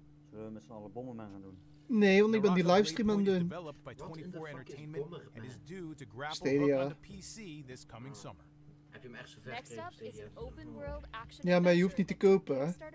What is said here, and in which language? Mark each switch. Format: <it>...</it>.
<nl>Zullen we met z'n allen bommen mee gaan doen? Nee, want ik ben die livestream aan het doen.</nl> <en>By 24 Entertainment and is due to grapple up on the PC this coming summer.</en> <nl>Heb je hem echt zo ver gekregen?</nl> <en>Next up is an open world action.</en> <nl>Ja, maar je hoeft niet te kopen, hè.</nl>